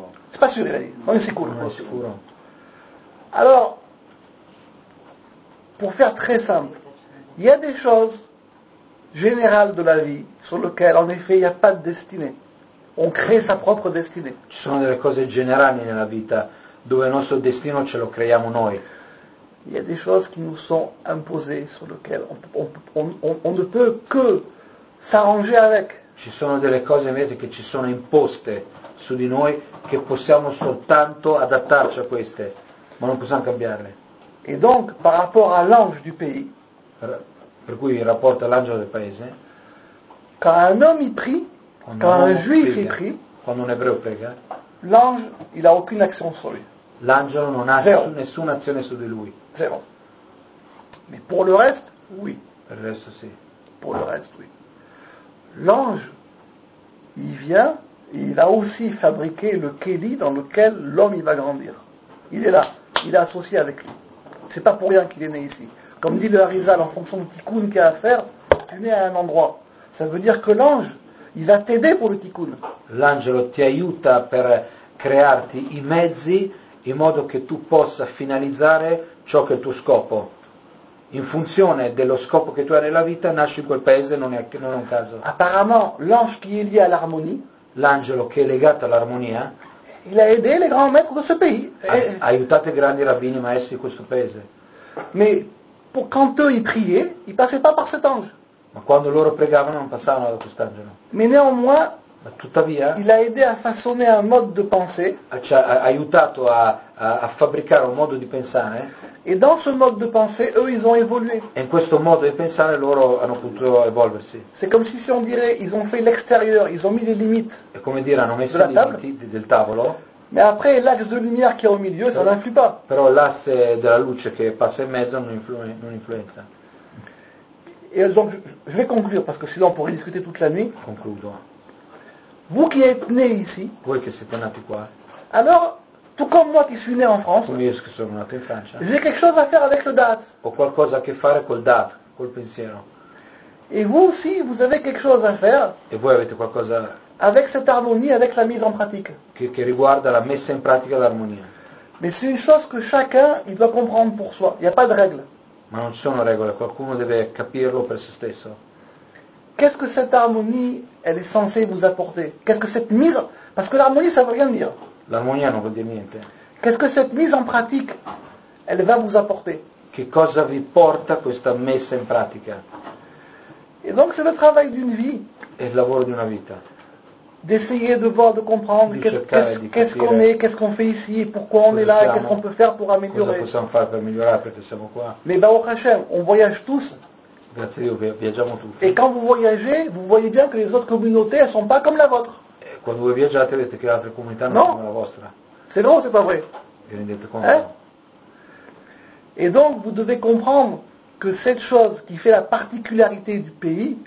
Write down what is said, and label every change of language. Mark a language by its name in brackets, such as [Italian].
[French] C'est pas sûr, il a dit, on est sicuro. Alors, pour faire très simple, il y a des choses générales de la vie sur lesquelles, en effet, il n'y a pas de destinée. On crée sa propre destinée. [Italian] Ci sono delle cose generali nella vita dove il nostro destino ce lo creiamo noi. [French] Il y a des choses qui nous sont imposées sur lesquelles on ne peut que s'arranger avec. [Italian] Ci sono delle cose invece che ci sono imposte su di noi che possiamo soltanto adattarci a queste. Ma non possiamo cambiarle. [French] E donc, par rapport à l'ange du pays, [Italian] per cui il rapporto all'angelo del paese, [French] quand un homme y prie, quand un juif y prie, [Italian] quando un ebreo prega, [French] l'ange, il n'a aucune action sur lui. [Italian] L'angelo non ha zero. Nessuna azione su di lui. [French] Zero. Mais pour le reste, oui. [Italian] Per il resto, sì. [French] Pour le reste, oui. L'ange, il vient, et il a aussi fabriqué le keli dans lequel l'homme il va grandir. Il est là, il est associé avec lui. C'est pas pour rien qu'il est né ici. Comme dit le Harizal, en fonction du tikkun qu'il y a à faire, tu nais à un endroit. Ça veut dire que l'ange, il va t'aider pour le tikkun. [Italian] L'angelo ti aiuta per crearti i mezzi in modo che tu possa finalizzare ciò che è il tuo scopo. In funzione dello scopo che tu hai nella vita, nasci in quel paese, non è un caso. [French] Apparemment, l'ange qui est lié à l'armonie, [Italian] l'angelo che è legato all'armonia, [French] il a aidé les grands maîtres de ce pays. [Italian] Ha aiutato i grandi rabbini maestri di questo paese. [French] Mais pour quand eux ils priaient, ils passaient pas par cet ange. [Italian] Ma quando loro pregavano non passavano da quest'angelo. [French] Mais néanmoins, [Italian] ma tuttavia, [French] il a aidé à façonner un mode de pensée. [Italian] Ha aiutato a fabbricare un modo di pensare. [French] Et dans ce mode de pensée, eux ils ont évolué. [Italian] E in questo modo di pensare loro hanno potuto evolversi. [French] C'est comme si on dirait ils ont fait l'extérieur, ils ont mis des limites. [Italian] È come dire hanno messo i limiti del tavolo. [French] Mais après l'axe de lumière qui est au milieu, ça n'influe pas. [Italian] Però l'asse della luce che passa in mezzo non influenza. [French] Et donc je vais conclure parce que sinon on pourrait discuter toute la nuit. [Italian] Concludo. [French] Vous qui êtes nés ici. [Italian] Voi che siete nati qua. [French] Alors tout comme moi qui suis né en France. Oui, parce que [Italian] sono nato in Francia. [French] J'ai quelque chose à faire avec le DAT. [Italian] Ho qualcosa a che fare col DAT, col pensiero. [French] Et vous aussi, vous avez quelque chose à faire. [Italian] E voi avete qualcosa. [French] Avec cette harmonie, avec la mise en pratique. [Italian] Che riguarda la messa in pratica dell'armonia. [French] Mais c'est une chose que chacun il doit comprendre pour soi. Il n'y a pas de règle. [Italian] Ma non ci sono regole, qualcuno deve capirlo per se stesso. [French] Qu'est-ce que cette harmonie, elle est censée vous apporter? Qu'est-ce que cette mise... Parce que l'harmonie, ça ne veut rien dire. [Italian] L'harmonia non vuol dire niente. [French] Qu'est-ce que cette mise en pratique, elle va vous apporter? [Italian] Che cosa vi porta questa messa in pratica? [French] Et donc, c'est le travail d'une vie. [Italian] È il lavoro di una vita. [French] D'essayer de voir, de comprendre qu'est-ce qu'on est, qu'est-ce qu'on fait ici, pourquoi on est là, [Italian] siamo, [French] qu'est-ce qu'on peut faire pour améliorer. [Italian] Cosa possiamo fare per migliorare perché siamo qua. [French] Mais Baruch HaShem, on voyage tous. [Italian] Grazie a Dio, viaggiamo tutti. [French] Et quand vous voyagez, vous voyez bien que les autres communautés, elles ne sont pas comme la vôtre. Et quand vous viaggiate, vous voyez que les autres communautés ne sont pas comme la vôtre. C'est vrai ou c'est pas vrai? Vous vous rendez compte? Et donc, vous devez comprendre que cette chose qui fait la particularité du pays...